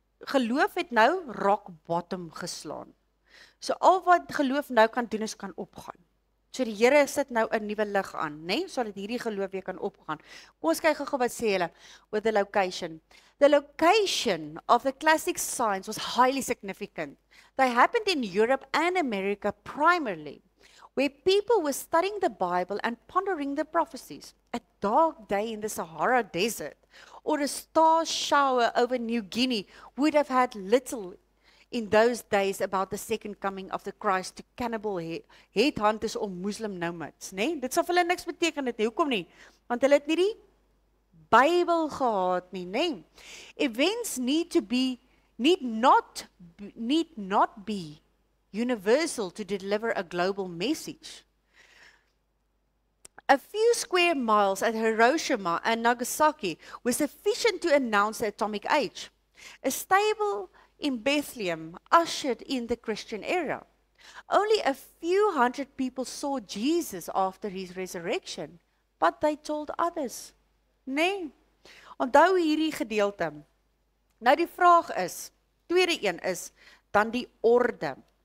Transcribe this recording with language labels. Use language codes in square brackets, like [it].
[af] Geloof het nou [en] rock bottom [af] geslaan. So al wat geloof nou kan doen is kan opgaan. So die Here sit nou 'n nuwe lig aan, né? Nee? Sodat hierdie geloof weer kan opgaan. Kom ons kyk gou-gou wat sê hulle oor [en] the location. The location of the classic signs was highly significant. They happened in Europe and America primarily, where people were studying the Bible and pondering the prophecies. A dark day in the Sahara Desert or a star shower over New Guinea would have had little in those days about the second coming of the Christ to cannibal headhunters or Muslim nomads. [af] Nee? Dit sal hulle niks beteken het nie. Hoekom nie? Want hulle het nie die Bybel gehad nie. [en] Nee? Events need to be, need not be universal to deliver a global message. A few square miles at Hiroshima and Nagasaki were sufficient to announce the atomic age. A stable in Bethlehem ushered in the Christian era. Only a few hundred people saw Jesus after his resurrection, but they told others. [af] Nee. Onthou hierdie gedeelte. Nou die vraag is, tweede een is, dan die orde.